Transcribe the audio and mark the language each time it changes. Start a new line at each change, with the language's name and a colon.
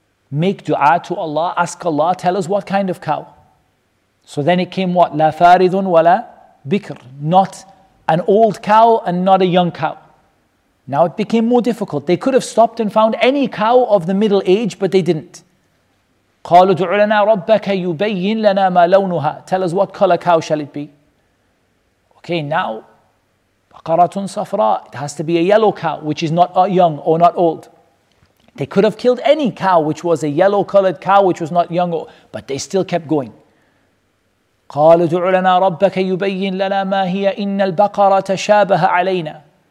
English: Make dua to Allah, ask Allah, tell us what kind of cow. So then it came what?
Arabic: لا فارض ولا بكر.
English: Not an old cow and not a young cow. Now it became more difficult. They could have stopped and found any cow of the middle age, but they didn't.
Arabic: قالوا دعو لنا ربك يبين لنا ما لونها.
English: Tell us what color cow shall it be. Okay, now
Arabic: بقرة صفراء.
English: It has to be a yellow cow, which is not young or not old. They could have killed any cow which was a yellow colored cow which was not young, but they still kept going.
Arabic: قَالُوا دُعُ لَنَا رَبَّكَ يُبَيِّن لَنَا مَا هِيَ إِنَّ الْبَقَرَ تَشَابَهَ عَلَيْنَا.